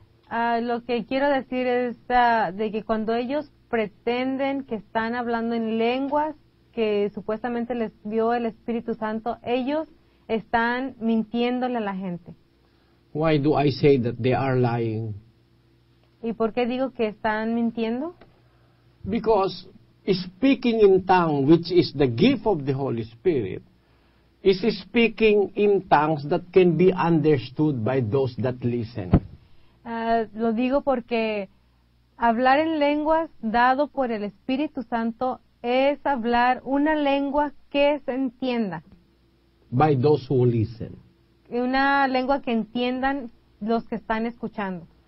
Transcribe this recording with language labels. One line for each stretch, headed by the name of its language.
Spanish: Lo que quiero decir es de que cuando ellos pretenden que están hablando en lenguas que supuestamente les dio el Espíritu Santo, ellos están mintiéndole a la gente.
English: Why do I say that they are lying?
Spanish: ¿Y por qué digo que están mintiendo?
English: Because speaking in tongues, which is the gift of the Holy Spirit, is speaking in tongues that can be understood by those that listen.
Spanish: Lo digo porque hablar en lenguas dado por el Espíritu Santo es hablar una lengua que se entienda.
English: By those who listen.
Spanish: Una lengua que entiendan los que están escuchando.